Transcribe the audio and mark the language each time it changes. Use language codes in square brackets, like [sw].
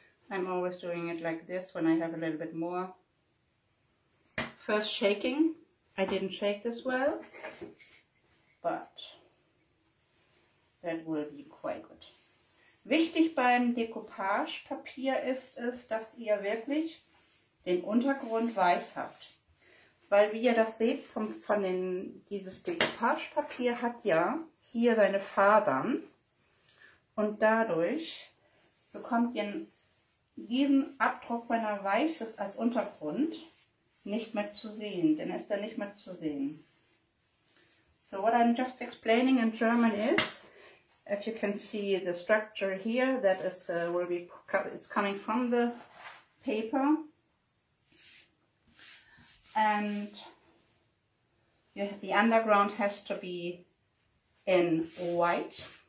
[en] I'm always doing it like this when I have a little bit more. First shaking. I didn't shake this well, but that will be quite good. [de] Wichtig beim Decoupage-Papier ist es, dass ihr wirklich den Untergrund weiß habt. Weil wie ihr das seht, dieses Decoupage-Papier hat ja hier seine Fasern und dadurch bekommt ihr diesen Abdruck, wenn er weiß ist als Untergrund, nicht mehr zu sehen, denn ist er nicht mehr zu sehen. [en] So what I'm just explaining in German is, if you can see the structure here, that is will be it's coming from the paper. And the underground has to be in white.